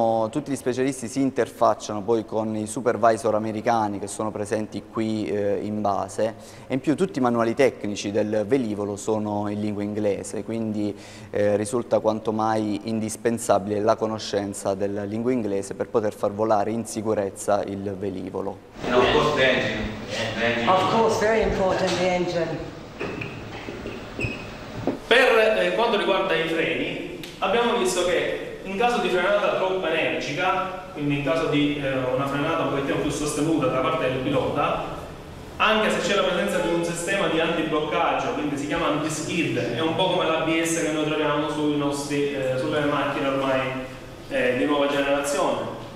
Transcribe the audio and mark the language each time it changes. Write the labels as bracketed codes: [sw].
[it] Tutti gli specialisti si interfacciano poi con i supervisor americani che sono presenti qui in base, e in più tutti i manuali tecnici del velivolo sono in lingua inglese, quindi risulta quanto mai indispensabile la conoscenza della lingua inglese per poter far volare in sicurezza il velivolo. [en] And of course the engine. Of course, very important, the engine. [it] Per quanto riguarda i freni, abbiamo visto che in caso di frenata troppo energica, quindi in caso di una frenata un pochettino più sostenuta da parte del pilota, anche se c'è la presenza di un sistema di antibloccaggio, quindi si chiama anti-skid, è un po' come l'ABS che noi troviamo sulle macchine ormai di nuova generazione.